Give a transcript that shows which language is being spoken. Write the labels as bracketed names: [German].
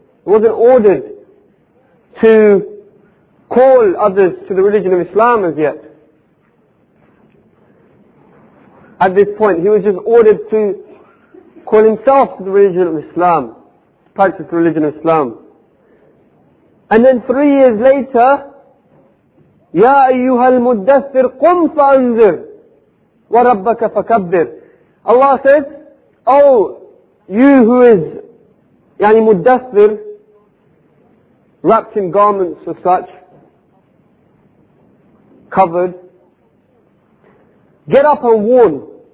[English] It wasn't ordered to call others to the religion of Islam as yet. At this point, he was just ordered to call himself to the religion of Islam, practice the religion of Islam. And then 3 years later, [Arabic] يا أيها المدثر قم فأنذر وربك فكبر. [English] Allah says, oh, you who is [Arabic] يعني مدثر, [English] wrapped in garments of such, covered, get up and warn.